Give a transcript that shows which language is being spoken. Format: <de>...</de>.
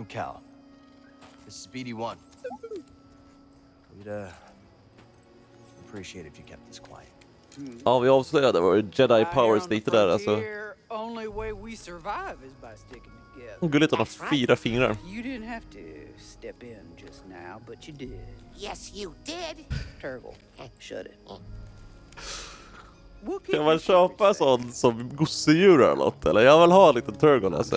<en>är Cal. Speedy one. We'd appreciate if you kept this quiet.</en> <sv>Ja, vi avslöjade vår Jedi powers lite där, alltså.</sv> <en>Only way we survive is by sticking together.</en> <sv>Gulligt att ha fyra fingrar.</sv> <en>You didn't have to step in just now, but you did. Yes, you did. Turgle, shut it.</en> <sv>Kan man köpa sånt som gosedjur eller något, eller? Jag vill ha en liten Turgle, alltså.</sv>